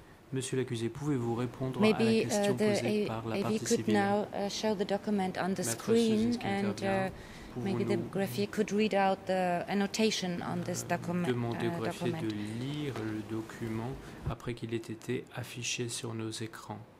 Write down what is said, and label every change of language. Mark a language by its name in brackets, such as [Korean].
[French] Monsieur l'accusé, pouvez-vous répondre à la question posée par la partie civile? [English] Show the document on the screen and maybe the greffier could read out the annotation on this document. [French] Demandez au greffier de lire le document après qu'il ait été affiché sur nos écrans.